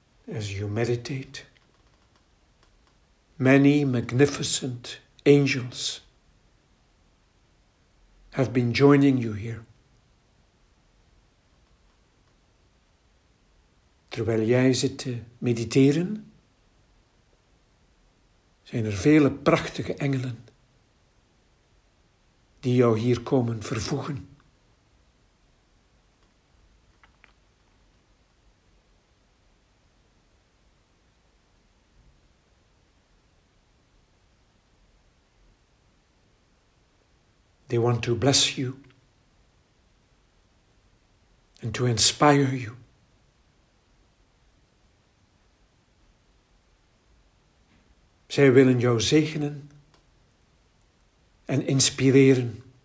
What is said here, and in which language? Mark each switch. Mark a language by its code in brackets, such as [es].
[en] As you meditate, many magnificent angels have been joining you here. [nl] Terwijl jij zit te mediteren, zijn er vele prachtige engelen die jou hier komen vervoegen. [en] They want to bless you and to inspire you. [nl] Zij willen jou zegenen en inspireren.